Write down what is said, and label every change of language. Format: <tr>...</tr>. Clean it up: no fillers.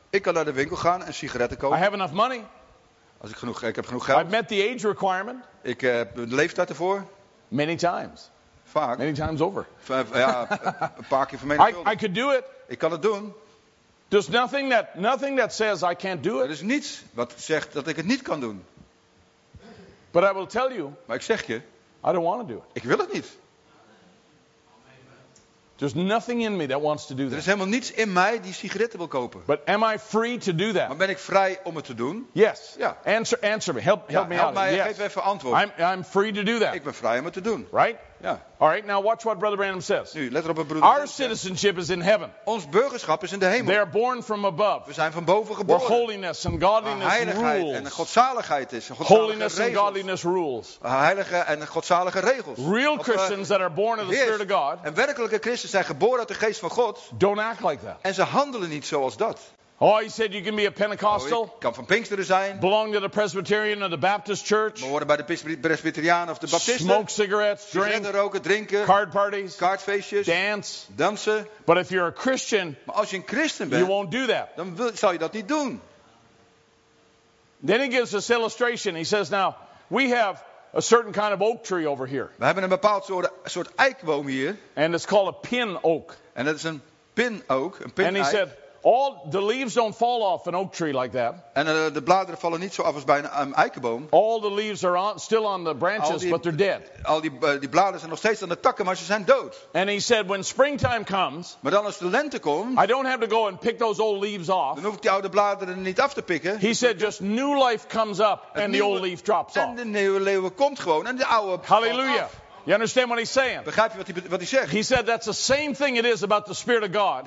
<nl>Ik kan naar de winkel gaan en sigaretten kopen.</nl> <en>I have enough money.</en> <nl>Als ik heb genoeg geld.</nl> <en>I've met the age requirement.</en> <nl>Ik heb de leeftijd ervoor.</nl> <en>Many times.</en> <nl>Vaak.</nl> <en>Many times over.</en> <nl>Ja, een paar keer vermenigvuldigd.</nl> <en>I could do it.</en> <nl>Ik kan het doen.</nl> <en>There's nothing that says I can't do it.</en> <nl>Er is niets wat zegt dat ik het niet kan doen.</nl> <en>But I will tell you.</en> <nl>Maar ik zeg je.</nl> <en>I don't want to do it.</en> <nl>Ik wil het niet.</nl> <en>There's nothing in me that wants to do that.</en> <nl>Er is helemaal niets in mij die sigaretten wil kopen.</nl> <en>But am I free to do that?</en> <nl>Maar ben ik vrij om het te doen?</nl> <en>Yes.</en> <nl>Ja.</nl> <en>Answer me. Help me out.</en> <nl>Help mij. Geef even antwoord.</nl> <en>I'm free to do that.</en> <nl>Ik ben vrij om het te doen.</nl> <en>Right?</en> <nl>Ja.</nl> <en>All right. Now watch what Brother Branham says.</en> <nl>Nu, let op wat</nl> <en>Brother Branham. Our citizenship is in heaven.</en> <nl>Ons burgerschap is in de hemel.</nl> <en>They are born from above.</en> <nl>We zijn van boven geboren.</nl> <en>Where holiness and godliness rules.</en> <nl>Waar heiligheid en godzaligheid is.</nl> <en>Holiness and godliness rules.</en> <nl>Heilige en godzalige regels.</nl> <en>Real Christians that are born of the Spirit of God.</en> <nl>En werkelijke christenen zijn geboren uit de geest van God.</nl> <en>Don't act like that.</en> <nl>En ze handelen niet zoals dat.</nl> <en>Oh, he said you can be a Pentecostal.</en> <nl>Oh, ik kan van Pinksteren zijn.</nl> <en>Belong to the Presbyterian or the Baptist church.</en> <nl>Behoren bij de Presbyterianen of de Baptisten.</nl> <en>Smoke cigarettes, drink.</en> <nl>Sigaretten roken, drinken.</nl> <en>Card parties.</en> <nl>Kaartfeestjes.</nl> <en>Dance.</en> <nl>Dansen.</nl> <en>But if you're a Christian.</en> <nl>Maar als je een Christen bent.</nl> <en>You won't do that.</en> <nl>Dan zal je dat niet doen.</nl> <en>Then he gives this illustration. He says, now, we have a certain kind of oak tree over here.</en> <nl>We hebben een bepaald soort eikboom hier.</nl> <en>And it's called a pin oak.</en> <nl>En dat is een pin oak, een pin eik.</nl> <en>And he said, all the leaves don't fall off an oak tree like that.</en> <nl>En de bladeren vallen niet zo af als bij een eikenboom.</nl> <en>All the leaves are still on the branches, but they're dead.</en> <nl>Al die bladeren zijn nog steeds aan de takken, maar ze zijn dood.</nl> <en>And he said, when springtime comes,</en> <nl>maar dan als de lente komt,</nl> <en>I don't have to go and pick those old leaves off.</en> <nl>Dan hoef ik die oude bladeren niet af te pikken.</nl> <en>He said, just new life comes up and the old leaf drops off.</en> <nl>En de nieuwe leeuwen komt gewoon en de oude. Hallelujah.</nl> <en>You understand what he's saying?</en> <nl>Begrijp je wat hij zegt?</nl> <en>He said that's the same thing it is about the Spirit of God.</en>